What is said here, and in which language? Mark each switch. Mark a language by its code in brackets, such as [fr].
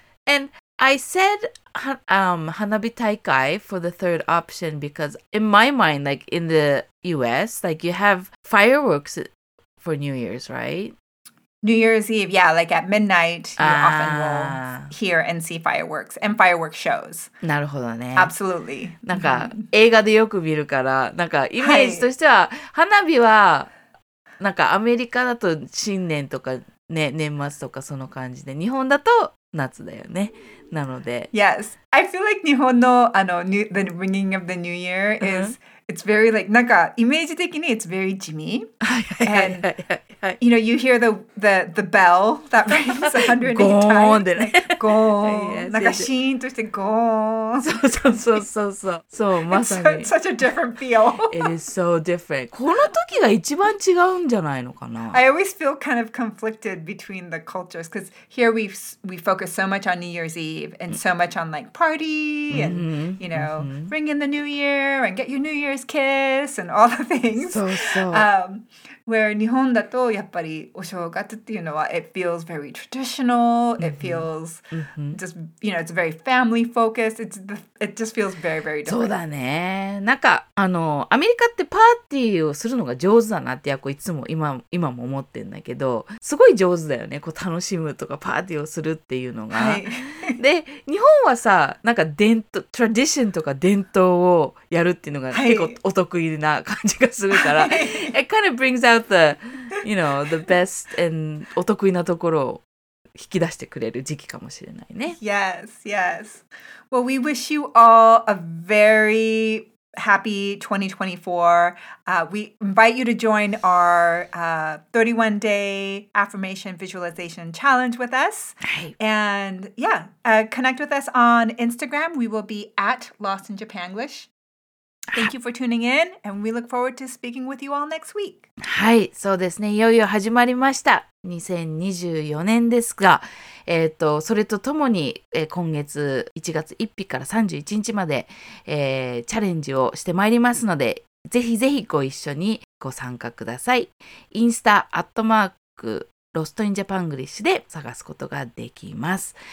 [en] And I said hanabi taikai for the third option because in my mind, like in the US, like you have fireworks for New Year's, right? New Year's Eve, yeah, like at midnight, you often will hear and see fireworks and fireworks shows. [ja] なるほどね。 [en] Absolutely. [ja] なんか映画でよく見るから、なんかイメージとしては、はい、花火はなんかアメリカだと新年とかね、年末とかその感じで、日本だと夏だよね。なので。 [en] Yes. I feel like [ja] 日本のあの、 [en] the ringing of the New Year is...、うんIt's very like, [ja] なんかイメージ的に [en] it's very [ja] 地味 [en] and you know, you hear the bell that rings 108 times. [ja] ゴーンでね。ゴーン。なんかシーンとしてゴーン。そうそうそうそうそう。そう、まさに。 [en] It's such a different feel. It is so different. [ja] この時が一番違うんじゃないのかな。 [en] I always feel kind of conflicted between the cultures because here we focus so much on New Year's Eve and so much on like party and, you know, ring in the New Year and get your New Year. Kiss and all the things. [ja] そうそう。 [en] Where [ja] 日本だとやっぱりお正月っていうのは [en] it feels very traditional. It feels just you know it's very family focused. It just feels very very different. [ja] そうだね。なんかあのアメリカってパーティーをするのが上手だなってやこいつも今も思ってんだけど、すごい上手だよね。こう楽しむとかパーティーをするっていうのが。はい、で日本はさなんか伝統 tradition とか伝統をやるっていうのが結構お得意な感じがするから、はい、 [en] it kind of brings out the, you know, the best [ja] and お得意なところを引き出してくれる時期かもしれないね。 [en] Yes, yes. Well, we wish you all a very happy 2024. We invite you to join our 31 day affirmation visualization challenge with us. Hey. And yeah, connect with us on Instagram. We will be at Lost in Japanglish. Thank you for tuning in, and we look forward to speaking with you all next week. [ja] はい、そうですね。いよいよ始まりました。2024年ですが、それとともに、今月1月1日から31日まで、チャレンジをしてまいりますので、ぜひぜひご一緒にご参加ください。インスタ、アットマーク、ロストインジャパングリッシュで探すことができます。